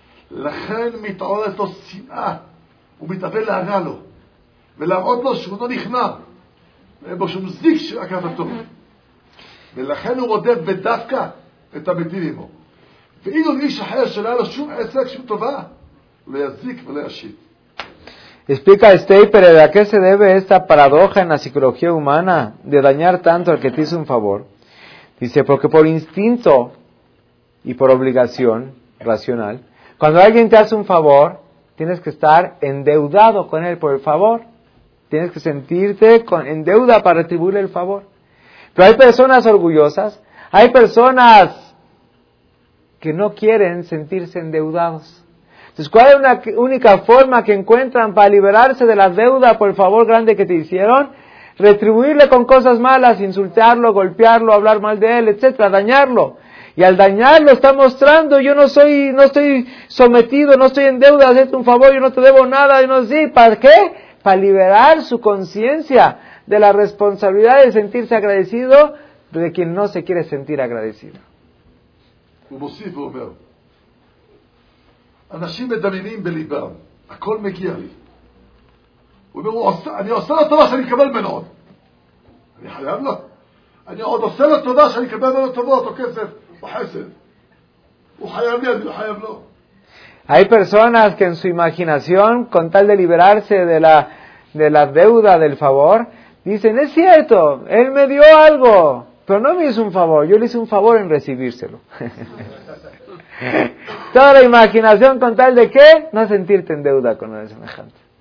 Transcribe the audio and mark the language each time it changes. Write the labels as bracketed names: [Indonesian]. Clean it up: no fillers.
[Hebrew] לכן מתעוררת לו שנאה, הוא מתאבל להרע לו, ולהראות לו שהוא לא נכנע, ואין בו שום זיק של הכרתו. ולכן הוא רודף בדווקא את המטיב עמו. ואילו איש אחר שלא היה לו שום עסק, שום טובה, לא יזיק ולא ישיב. [Spanish] Explica Staper, ¿a qué se debe esta paradoja en la psicología humana de dañar tanto al que te hizo un favor? Dice, porque por instinto y por obligación racional, cuando alguien te hace un favor, tienes que estar endeudado con él por el favor. Tienes que sentirte en deuda para retribuirle el favor. Pero hay personas orgullosas, hay personas que no quieren sentirse endeudados. Entonces, ¿cuál es la única forma que encuentran para liberarse de la deuda por el favor grande que te hicieron? Retribuirle con cosas malas, insultarlo, golpearlo, hablar mal de él, etcétera, dañarlo. Y al dañarlo está mostrando, yo no estoy sometido, no estoy en deuda, hazte un favor, yo no te debo nada, yo no sé, ¿para qué? Para liberar su conciencia de la responsabilidad de sentirse agradecido de quien no se quiere sentir agradecido. Como si lo veo. [Hebrew] אנשים מדמיינים בליבם, הכל מגיע לי. הוא אומר, אני עושה לו טובה שאני אקבל ממנו עוד. אני חייב לו. אני עוד עושה לו טובה שאני אקבל ממנו טובות או כסף או חסד. הוא חייב לי, אני לא חייב לו. [Spanish] Hay personas que en su imaginación, con tal de liberarse de la deuda, del favor, dicen, es cierto, él me dio algo, pero no me hizo un favor, yo le hice un favor en recibírselo. Toda la imaginación con tal de qué, no sentirte en deuda con el semejante.